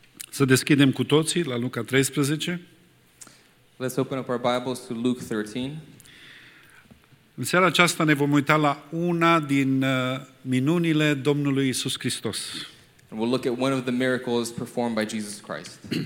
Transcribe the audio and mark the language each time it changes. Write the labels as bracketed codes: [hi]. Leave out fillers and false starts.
[ro] Să deschidem cu toții la Luca 13. [en] Let's open up our Bibles to Luke 13. [ro] În seara aceasta ne vom uita la una din minunile Domnului Iisus Hristos. [en] And we'll look at one of the miracles performed by Jesus Christ.